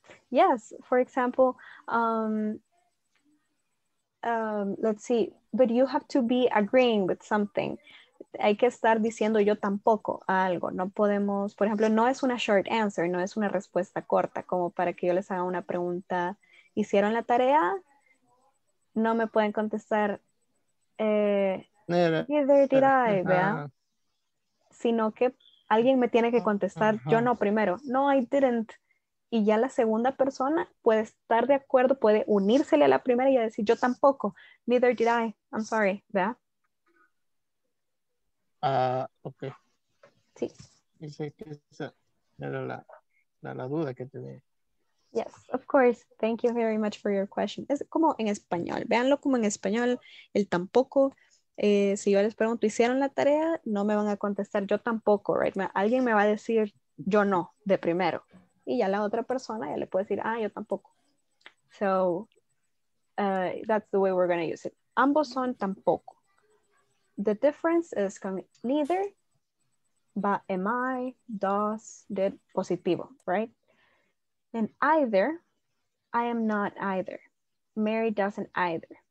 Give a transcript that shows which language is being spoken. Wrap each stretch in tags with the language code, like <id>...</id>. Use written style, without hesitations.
<en>Yes, for example, let's see, but you have to be agreeing with something.</en> <es>Hay que estar diciendo yo tampoco a algo. No podemos, por ejemplo, no es una</es> <en>short answer,</en> <es>no es una respuesta corta, como para que yo les haga una pregunta. ¿Hicieron la tarea? No me pueden contestar,</es> <en>neither did I,</en> <es>¿vea? Sino que alguien me tiene que contestar, yo no primero.</es> <en>No, I didn't.</en> <es>Y ya la segunda persona puede estar de acuerdo, puede unírsele a la primera y decir, yo tampoco.</es> <en>Neither did I. I'm sorry.</en> <es>¿Verdad?</es> <en>Ok.</en> <es>Sí. Dice que esa era la duda que tenía.</es> <en>Yes, of course. Thank you very much for your question.</en> <es>Es como en español. Véanlo como en español. El tampoco. Si yo les pregunto, ¿hicieron la tarea? No me van a contestar, yo tampoco.</es> <en>Right?</en> <es>Alguien me va a decir, yo no, de primero. Y ya la otra persona ya le puede decir, ah, yo tampoco.</es> <en>So, that's the way we're going to use it.</en> <es>Ambos son tampoco.</es> <en>The difference is con neither, va am I, does, did, positivo, right? And either, I am not either. Mary doesn't either.</en>